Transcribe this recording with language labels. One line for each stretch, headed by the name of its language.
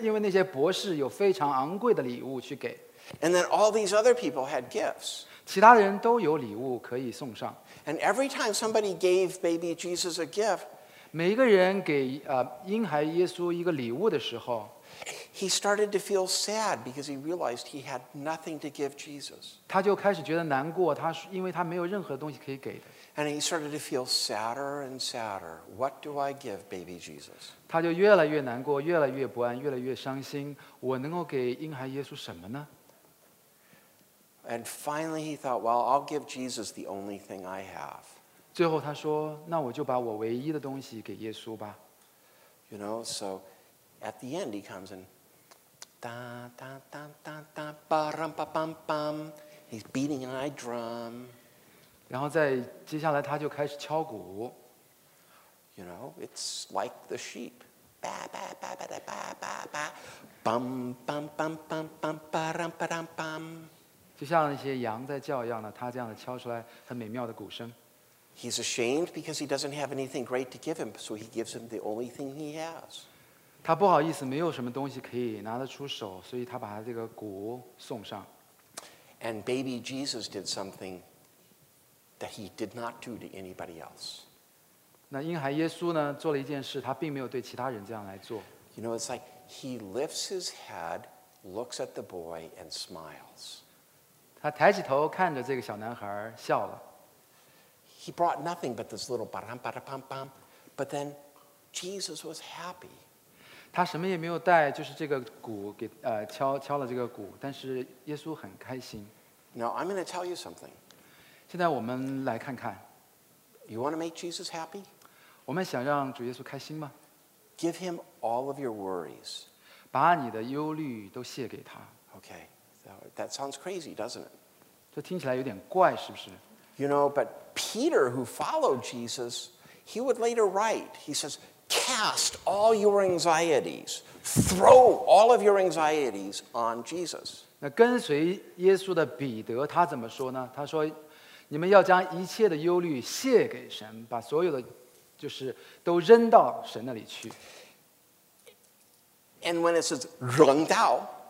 Chinese: 因为那些博士有非常昂贵的礼物去给。
English: And then all these other people had gifts.
Chinese: 其他人都有礼物可以送上。
English: And every time somebody gave baby Jesus a gift,
Chinese: 每一个人给婴孩耶稣一个礼物的时候，
English: he started to feel sad because he realized he had nothing to give Jesus.
Chinese: 他就开始觉得难过，他因为他没有任何东西可以给的。
English: And he started to feel sadder and sadder. What do I give baby Jesus?
Chinese: 他就越来越难过，越来越不安，越来越伤心。我能够给婴孩耶稣什么呢？
English: And finally he thought, well, I'll give Jesus the only thing I have.
Chinese: 最后他说，那我就把我唯一的东西给耶稣吧。
English: You know, so at the end he comes and da da da da da ba rum ba bum bum. He's beating an eye drum.
Chinese: 然后在接下来他就开始敲鼓。
English: You know, it's like the sheep. Ba ba ba ba da ba ba ba. Bum bum bum bum bum ba rum ba dum bum.
Chinese: 就像那些羊在叫一样的，他这样的敲出来很美妙的鼓声。
English: He's ashamed because he doesn't have anything great to give him, so he gives him the only thing he has.
Chinese: 他不好意思，没有什么东西可以拿得出手，所以他把他这个鼓送上。
English: And baby Jesus did something. That he did not do to anybody else.
Chinese: 那婴孩耶稣呢，做了一件事，他并没有对其他人这样来做。
English: You know, it's like he lifts his head, looks at the boy, and smiles.
Chinese: 他抬起头看着这个小男孩，笑了。
English: He brought nothing but this little ba-dum ba-da-bum bum, but then Jesus was happy.
Chinese: 他什么也没有带，就是这个鼓给敲了这个鼓，但是耶稣很开心。
English: Now I'm going to tell you something.
Chinese: 现在我们来看看。
English: You want to make Jesus happy?
Chinese: 我们想让主耶稣开心吗？
English: Give him all of your worries.
Chinese: 把你的忧虑都卸给他。
English: Okay, that sounds crazy, doesn't it?
Chinese: 这听起来有点怪，是不是？
English: You know, but Peter, who followed Jesus, he would later write, he says, cast all your anxieties, throw all of your anxieties on Jesus.
Chinese: 那跟随耶稣的彼得他怎么说呢？他说你们要将一切的忧虑卸给神，把所有的就是都扔到神那里去。
English: And when it says 扔到，